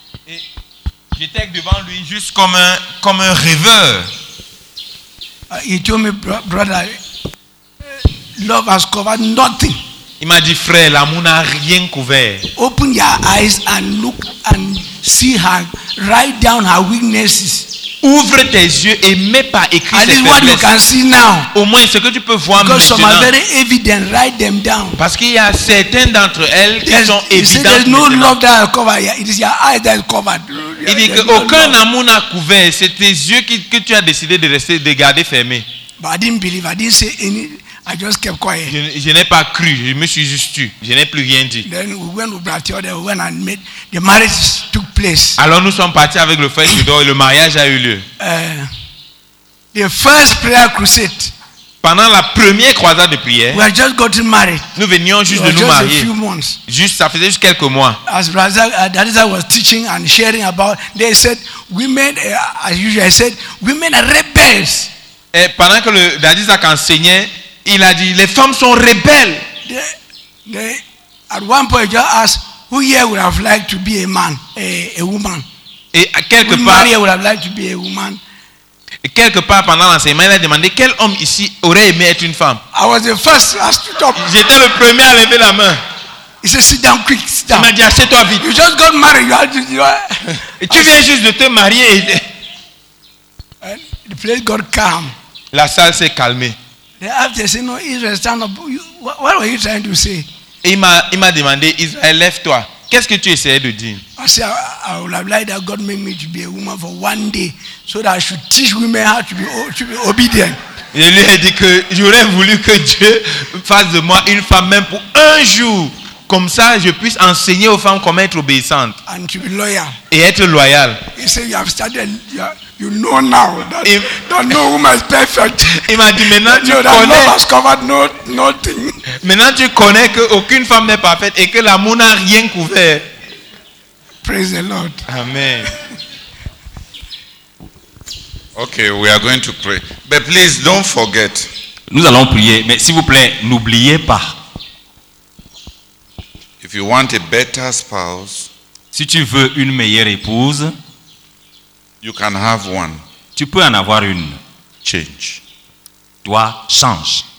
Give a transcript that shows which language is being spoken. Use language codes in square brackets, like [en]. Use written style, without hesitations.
[fr] Et j'étais devant lui juste comme un rêveur. [en] He told me, brother, love has covered nothing. [fr] Il m'a dit, frère, l'amour n'a rien couvert. [en] Open your eyes and look and see her. Write down her weaknesses. [fr] Ouvre tes yeux et mets par écrit ses faiblesses. [en] At least what you can see now. [fr] Au moins ce que tu peux voir [en] because [fr] maintenant. [en] Because some are very evident. Write them down. [fr] Parce qu'il y a certains d'entre elles qui sont évidentes. [en] There's no love that has covered. It is your eyes that has covered. [fr] Il dit qu'aucun amour n'a couvert. C'est tes yeux que tu as décidé de rester, de garder fermés. [en] But I didn't believe. I didn't say any. I just kept quiet. [fr] Je n'ai pas cru. Je me suis juste tu. Je n'ai plus rien dit. [en] Then we went to Bratio. Then we went and met. The marriage took place. [fr] Alors nous sommes partis avec le frère Tudor et le mariage a eu lieu. [en] The first prayer crusade. [fr] Pendant la première croisade de prière. [en] We had just gotten married. [fr] Nous venions juste de nous marier. [en] Just a few months. [fr] Juste, ça faisait juste quelques mois. [en] As brother, Dadisa was teaching and sharing about, they said, women, as usual, I said, women are rebels. [fr] Et pendant que Dadisa enseignait, il a dit, les femmes sont rebelles. [en] They, at one point, just asked, who here would have liked to be a man, a woman? [fr] Et quelque part. [en] Who here would have liked to be a woman? [fr] Et quelque part pendant l'enseignement, il a demandé quel homme ici aurait aimé être une femme. [en] I was the first to stood up. [fr] J'étais le premier à lever la main. [en] He said, sit down quick, sit down. [fr] Il m'a dit assieds-toi vite. [en] You just got married. [fr] Tu viens juste de te marier. Et [en] the place got calm. [fr] La salle s'est calmée. [en] They have to say, no, Israel, stand up. What were you trying to say? [fr] Et il m'a demandé, Israël, lève-toi. Qu'est-ce que tu essayais de dire? [en] I said, I would have liked that God made me to be a woman for one day, so that I should teach women how to be obedient. [fr] Je lui ai dit que j'aurais voulu que Dieu fasse de moi une femme même pour un jour, comme ça je puisse enseigner aux femmes comment être obéissantes. [en] And to be loyal. [fr] Et être loyal. [en] He said, you have started. You know now that no woman is perfect. [fr] Il m'a dit maintenant tu connais. [en] Love has covered nothing. [fr] Maintenant tu connais que aucune femme n'est parfaite et que l'amour n'a rien couvert. [en] Praise the Lord. Amen. Okay, we are going to pray, but please don't forget. [fr] Nous allons prier, mais s'il vous plaît, n'oubliez pas. [en] If you want a better spouse, [fr] si tu veux une meilleure épouse. [en] You can have one. [fr] Tu peux en avoir une. [en] Change. [fr] Toi, change.